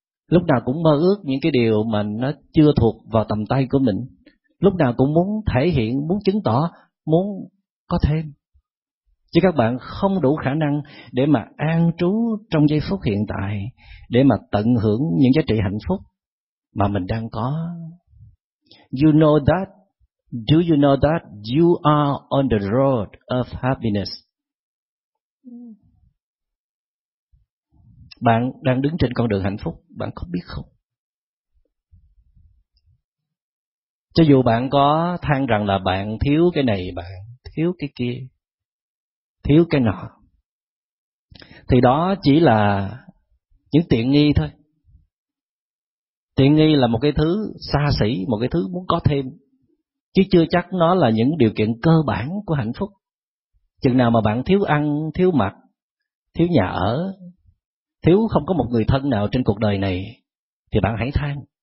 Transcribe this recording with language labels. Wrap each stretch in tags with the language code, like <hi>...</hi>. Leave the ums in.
<vi>Lúc nào cũng mơ ước những cái điều mà nó chưa thuộc vào tầm tay của mình. Lúc nào cũng muốn thể hiện, muốn chứng tỏ, muốn có thêm. Chứ các bạn không đủ khả năng để mà an trú trong giây phút hiện tại, để mà tận hưởng những giá trị hạnh phúc mà mình đang có.</vi> <en>You know that? Do you know that you are on the road of happiness?</en> <vi>bạn đang đứng trên con đường hạnh phúc bạn có biết không cho dù bạn có than rằng là bạn thiếu cái này bạn thiếu cái kia thiếu cái nọ thì đó chỉ là những tiện nghi thôi tiện nghi là một cái thứ xa xỉ một cái thứ muốn có thêm chứ chưa chắc nó là những điều kiện cơ bản của hạnh phúc chừng nào mà bạn thiếu ăn thiếu mặc thiếu nhà ở thiếu không có một người thân nào trên cuộc đời này, thì bạn hãy than.</vi>